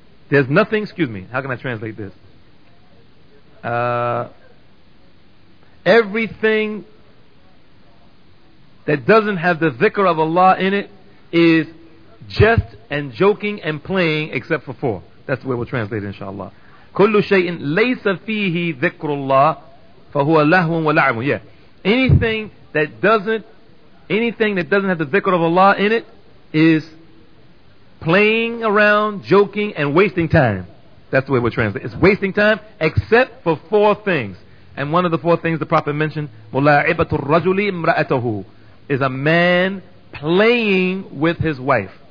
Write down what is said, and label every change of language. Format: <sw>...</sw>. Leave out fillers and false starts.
<en>There's nothing, excuse me, how can I translate this? Everything that doesn't have the dhikr of Allah in it is just and joking and playing, except for four. That's the way we'll translate it, inshallah.</en> <ar>كل شيء ليس فيه ذكر الله فهو لهو ولعب.</ar> <en>Yeah. Anything that doesn't have the dhikr of Allah in it is playing around, joking, and wasting time. That's the way we'll translate. It's wasting time, except for four things. And one of the four things the Prophet mentioned,</en> <ar>مُلَاعِبَةُ الرَّجُلِ امْرَأَتَهُ,</ar> <en>is a man playing with his wife.</en>